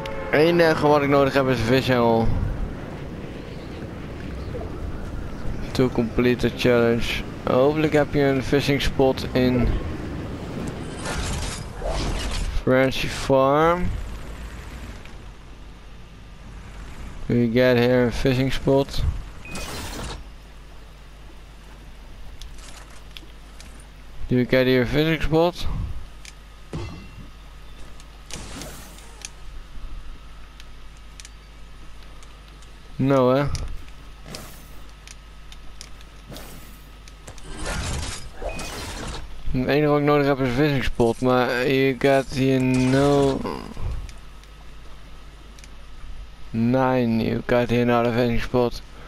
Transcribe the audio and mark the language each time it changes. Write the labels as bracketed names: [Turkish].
[Dutch] Enige wat ik nodig heb is een visengel. [English] To complete the challenge. [Dutch] Hopelijk heb je een fishing spot in Ranchy Farm. [English] We get here a fishing spot. Do we get here a fishing spot? No, eh? [Dutch] Het enige wat ik nodig heb is een fishing spot, maar [English] you got here no... Nein, you got here not a fishing spot.